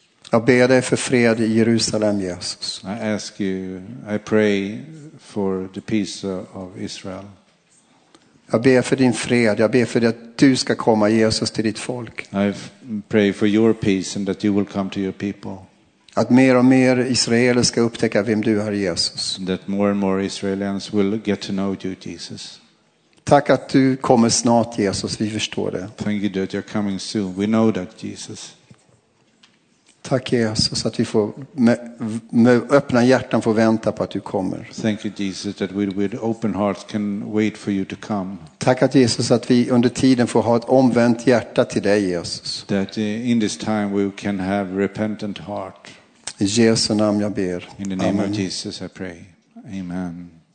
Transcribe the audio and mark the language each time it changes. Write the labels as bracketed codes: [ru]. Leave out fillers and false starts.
[sv] Jag ber dig för fred i Jerusalem, Jesus. [en] I ask you, I pray for the peace of Israel. [sv] Jag ber för din fred. Jag ber för att du ska komma, Jesus, till ditt folk. [en] I pray for your peace and that you will come to your people. [sv] Att mer och mer israeler ska upptäcka vem du är, Jesus. [en] That more and more Israelians will get to know you, Jesus. [sv] Tack att du kommer snart, Jesus. Vi förstår det. [en] Thank you that you're coming soon. We know that, Jesus. [sv] Tack, Jesus, att vi får med öppna hjärtan får vänta på att du kommer. [en] Thank you, Jesus, that we with open hearts can wait for you to come. [sv] Tack att Jesus att vi under tiden får ha ett omvänt hjärta till dig, Jesus. [en] That in this time we can have repentant heart. [sv] I Jesu namn jag ber. [en] In the name of Jesus I pray. Amen.